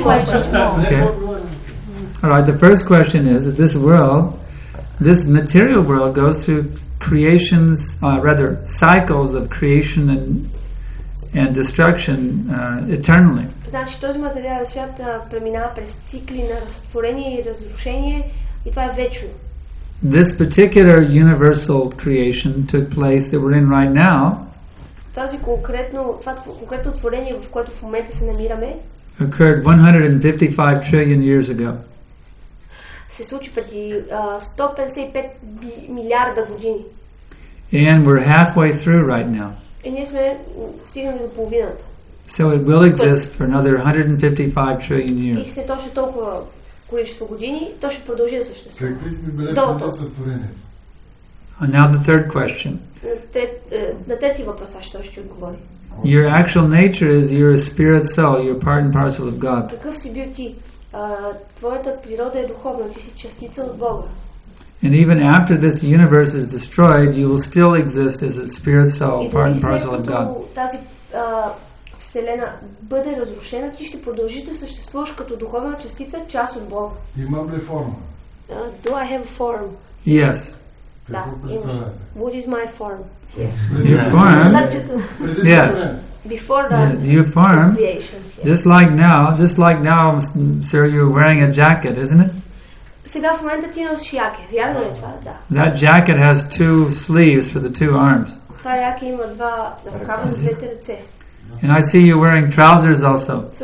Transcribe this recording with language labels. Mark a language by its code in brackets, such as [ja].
[en] All right, the first question is that this world, this material world, goes through creations, rather cycles of creation and destruction eternally. [bg] Значи този материален свят преминава през цикли на разтворение и разрушение и това е вечно. [en] This particular universal creation took place that we're in right now. [bg] Тази конкретно, това конкретно творение, в което в момента се намираме, [en] occurred 155 trillion years ago. [bg] Се случи преди 155 милиарда години. [en] And we're halfway through right now. [bg] И ние сме стигнали до половината. [en] So it will exist for another 155 trillion years. [bg] И се точно толкова количество години, то ще продължи да съществува. Какви сме били до това сътворение? [en] And now the third question. [bg] На трети въпрос аз ще отговоря. [en] Your actual nature is your spirit soul, your part and parcel of God. [bg] Какъв си бил ти? Твоята природа е духовна, ти си частица от Бога. [en] And even after this universe is destroyed, you will still exist as a spirit soul, part and parcel of God. [bg] Тази Вселена бъде разрушена, ти ще продължиш да съществуваш като духовна частица, част от Бога. Имам ли форма? [en] Do I have a form? Yes. [bg] Да, [en] what is my form? Yes. Your form? Yes. Before the your form, creation. Yes. Just like now, sir, you're wearing a jacket, isn't it? [bg] Сега в момента ти носиш яке. Вярно ли това? Да. [en] That jacket has two sleeves for the two arms. [bg] Това яке има два ръкава за двете ръце. [en] And I see you wearing trousers also.